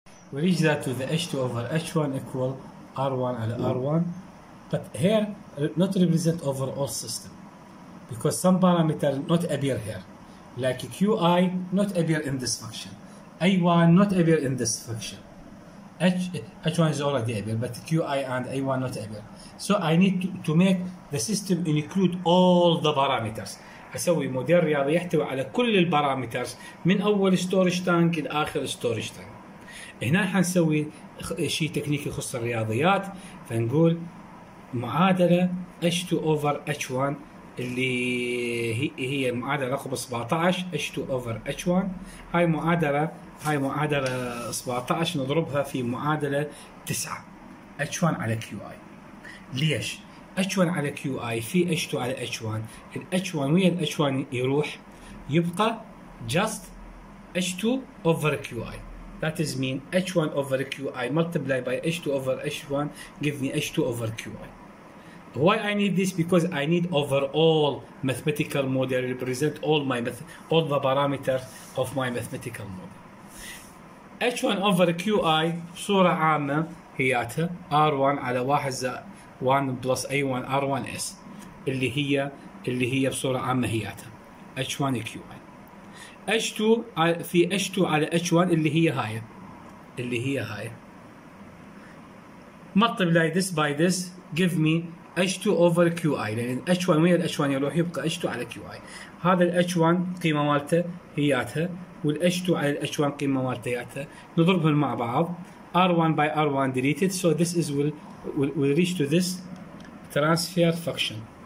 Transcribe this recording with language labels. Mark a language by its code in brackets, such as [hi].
[en] We reach that to the H2 over H1 equal R1 على R1, but here not represent overall system because some parameter not appear here, like QI not appear in this function, A1 not appear in this function, H1 is already appear, but QI and A1 not appear. So I need to make the system include all the parameters. [ar] أسوي موديل رياضي يحتوي على كل البارامترز من أول storage tank إلى آخر storage tank. هنا حنسوي شيء تكنيكي يخص الرياضيات فنقول معادلة H2 over H1 اللي هي معادلة رقم 17 H2 over H1 هاي معادلة 17 نضربها في معادلة 9 H1 على QI. ليش؟ H1 على QI في H2 على H1. ال H1 وين H1 يروح؟ يبقى just H2 over QI. [en] That is mean H1 over QI multiplied by H2 over H1 give me H2 over QI. Why I need this? Because I need overall mathematical model represent all my all the parameters of my mathematical model. [ar] H1 over QI صورة عامة هياتها R1 على 1 plus A1 R1S اللي هي بصورة عامة هياتها H1 QI. H2 في H2 على H1 اللي هي هاي. [en] Multiply this by this give me H2 over QI [ar] لأن يعني H1 وين H1 يروح يبقى H2 على QI. هذا ال H1 قيمة مالته هياتها وال H2 على ال H1 قيمة مالته هياتها نضربهم مع بعض [en] R1 by R1 deleted so this is will reach to this transfer function.